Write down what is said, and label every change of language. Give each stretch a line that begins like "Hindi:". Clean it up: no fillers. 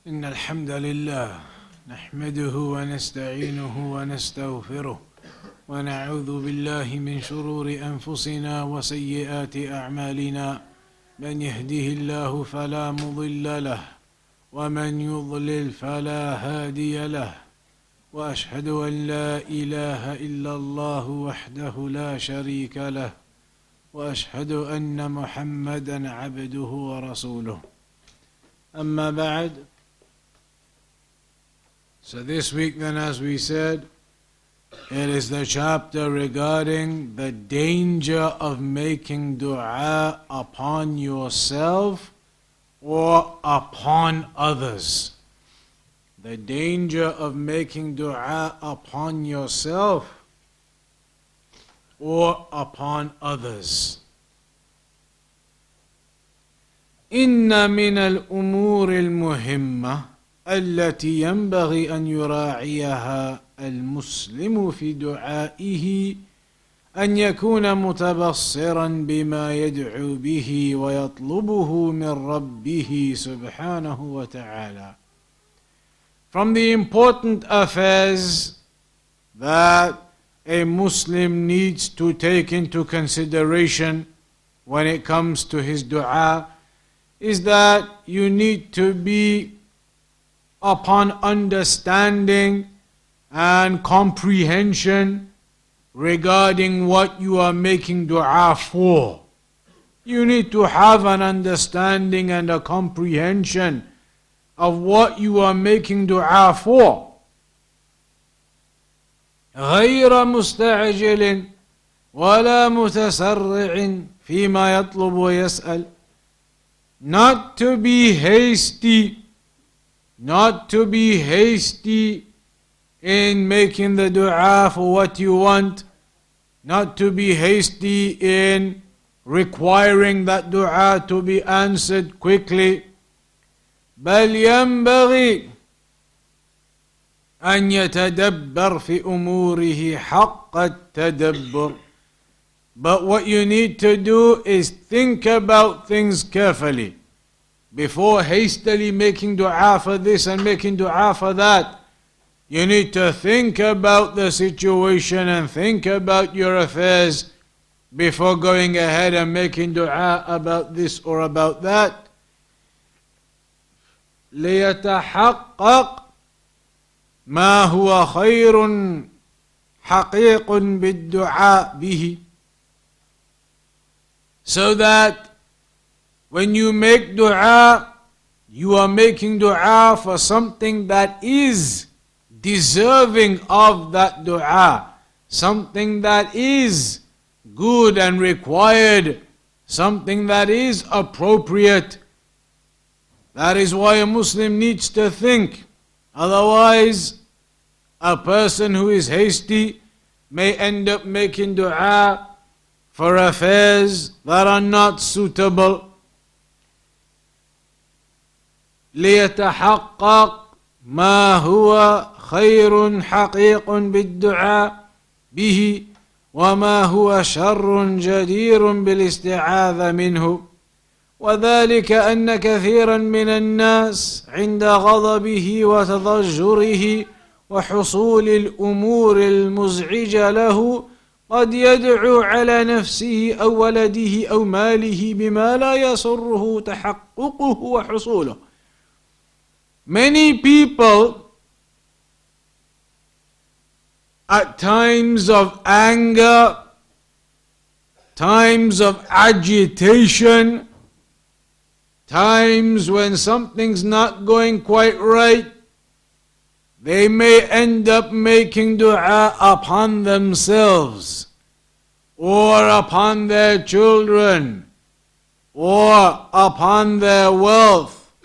Arabic: إن الحمد لله نحمده ونستعينه ونستغفره ونعوذ بالله من شرور أنفسنا وسيئات أعمالنا، من يهده الله فلا مضل له ومن يضلل فلا هادي له، وأشهد أن لا إله إلا الله وحده لا شريك له، وأشهد أن محمدا عبده ورسوله، أما بعد.
English: So this week then, as we said, it is the chapter regarding the danger of making dua upon yourself or upon others. The danger of making dua upon yourself or upon others.
Arabic: Inna min al-umur al-muhimma التي ينبغي أن يراعيها المسلم في دعائه أن يكون متبصرا بما يدعو به ويطلبه من ربه سبحانه وتعالى.
English: From the important affairs that a Muslim needs to take into consideration when it comes to his dua is that you need to be upon understanding and comprehension regarding what you are making dua for. You need to have an understanding and a comprehension of what you are making dua for.
Arabic: غير مستعجل ولا متسرع فيما يطلب ويسأل.
English: Not to be hasty. Not to be hasty in making the dua for what you want. Not to be hasty in requiring that dua to be answered quickly.
Arabic: بَلْ يَنْبَغِي أَنْ يَتَدَبَّرْ فِي أُمُورِهِ حَقَّ التَّدَبُّرْ.
English: But what you need to do is think about things carefully before hastily making dua for this and making dua for that. You need to think about the situation and think about your affairs before going ahead and making dua about this or about that.
Arabic: ليتحقق ما هو خير حقيق بالدعاء به.
English: So that when you make dua, you are making dua for something that is deserving of that dua, something that is good and required, something that is appropriate. That is why a Muslim needs to think. Otherwise, a person who is hasty may end up making dua for affairs that are not suitable.
Arabic: ليتحقق ما هو خير حقيق بالدعاء به وما هو شر جدير بالاستعاذة منه. وذلك أن كثيرا من الناس عند غضبه وتضجره وحصول الأمور المزعجة له قد يدعو على نفسه أو ولده أو ماله بما لا يسره تحققه وحصوله.
English: Many people, at times of anger, times of agitation, times when something's not going quite right, they may end up making dua upon themselves, or upon their children, or upon their wealth.